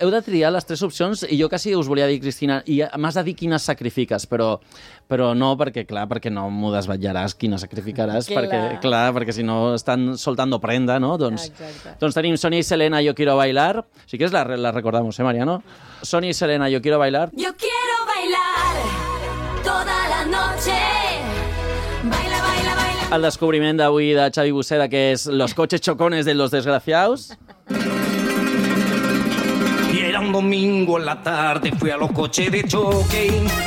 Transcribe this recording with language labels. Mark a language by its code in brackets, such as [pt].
[ca] Heu de triar les tres opcions i jo quasi us volia dir, Cristina, i m'has de dir quines sacrifiques, però no, perquè clar, perquè no m'ho desvetllaràs, quines sacrificaràs, perquè si no estan [es] soltando prenda, [ca] no? Doncs, doncs tenim Sonia i Selena, Yo quiero bailar. Sí que és [es] la recordamos, [ca] Mariano. Sonia i Selena, Yo quiero bailar. [es] Yo quiero bailar toda la noche. Baila, baila, baila. [ca] El descobriment d'avui de Xavi Buceda, que és Los coches chocones de los desgraciados. [es] Y era un domingo en la tarde, fui a los coches de choque.